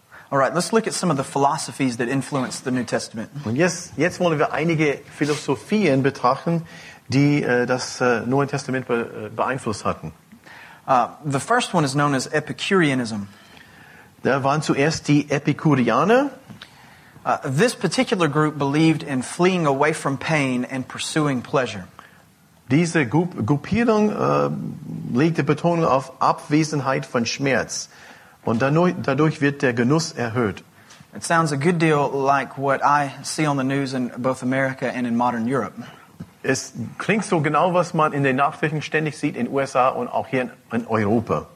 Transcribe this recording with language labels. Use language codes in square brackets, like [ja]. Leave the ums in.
[en] All right, let's look at some of the philosophies that influenced the New Testament. [de] Und jetzt, jetzt wollen wir einige Philosophien betrachten, die uh, das uh, Neue Testament be, uh, beeinflusst hatten. [en] the first one is known as Epicureanism. [de] Da waren zuerst die Epikurianer. [en] Uh, this particular group believed in fleeing away from pain and pursuing pleasure. [de] Diese Grupp Gruppierung äh, legte auf Abwesenheit von Schmerz und dann, dadurch, wird der Genuss erhöht. [en] It sounds a good deal like what I see on the news in both America and in modern Europe. [de] Es klingt so genau, was man in den Nachrichten ständig sieht in USA und auch hier in Europa.